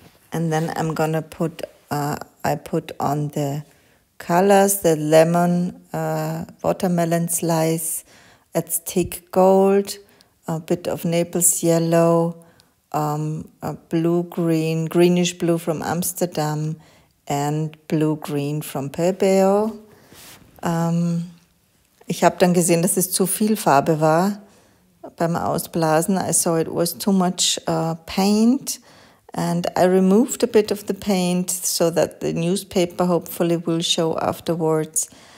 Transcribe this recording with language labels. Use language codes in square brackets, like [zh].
[en] And then I'm gonna put on the colors, the lemon, watermelon slice, Aztec gold, a bit of Naples yellow, a blue-green, greenish-blue from Amsterdam and blue-green from Pebeo. [de] Ich habe dann gesehen, dass es zu viel Farbe war beim Ausblasen. [en] I saw it was too much paint. And I removed a bit of the paint so that the newspaper hopefully will show afterwards.